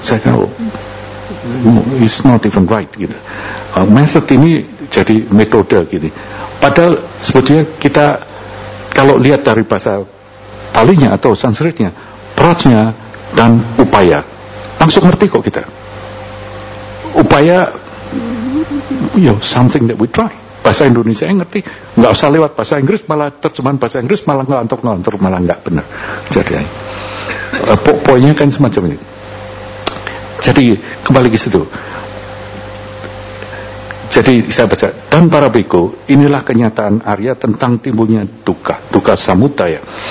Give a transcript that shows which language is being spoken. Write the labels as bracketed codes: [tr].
[id] Saya kira [en] it's not even right [id] gitu. Method ini jadi metode gini. Padahal sebetulnya kita kalau lihat dari bahasa Palinya atau Sanskritnya, prajna dan upaya, langsung ngerti kok kita. [en] Upaya, you know, something that we try. [id] Bahasa Indonesia yang ngerti, nggak usah lewat bahasa Inggris, malah terjemahan bahasa Inggris malah ngelantur-ngelantur, malah nggak benar. Jadi poinnya kan semacam ini. Jadi kembali ke situ. Jadi saya baca, dan para bhikkhu, inilah kenyataan Arya tentang timbulnya dukkha, dukkha samudaya.